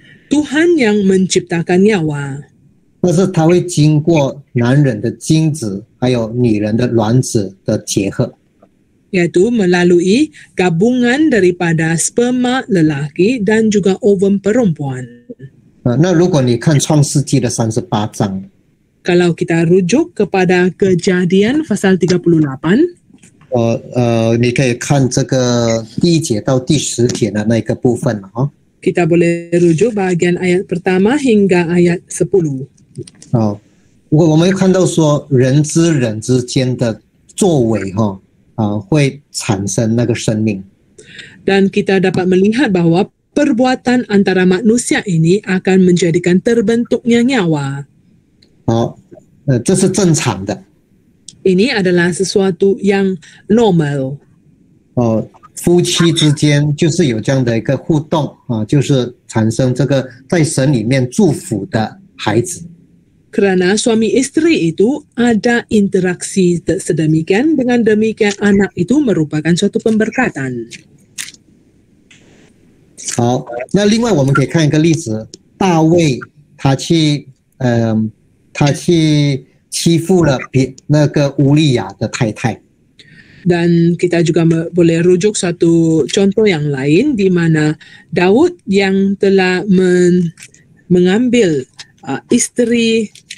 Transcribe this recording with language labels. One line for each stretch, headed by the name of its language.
Malay: Tuhan yang menciptakan nyawa.
Chinese: 但是他会经过男人的精子还有女人的卵子的结合。
Malay: Yaitu melalui gabungan daripada sperma lelaki dan juga ovum perempuan.
Chinese: 那如果你看创世纪的38章。
Malay: Kalau kita rujuk kepada kejadian pasal 38,
Chinese: 你可以看这个第一节到第十节的那个部分哦。
Malay: Kita boleh rujuk bahagian ayat pertama hingga ayat 10.
Chinese: 我们看到说人之人之间的作为哈，会产生那个生命。
Malay: Dan kita dapat melihat bahwa perbuatan antara manusia ini akan menjadikan terbentuknya nyawa.
Chinese: 这是正常的。
Malay: Ini adalah sesuatu yang normal.
Chinese: 夫妻之间就是有这样的一个互动，就是产生这个在神里面祝福的孩子。
Malay: Karena suami istri itu ada interaksi sedemikian, dengan demikian anak itu merupakan suatu pemberkatan.
Chinese: 好，那另外我们可以看一个例子，大卫他去他去欺负了那个乌利亚的太太。
Malay: Dan kita juga boleh rujuk satu contoh yang lain di mana Daud yang telah mengambil isteri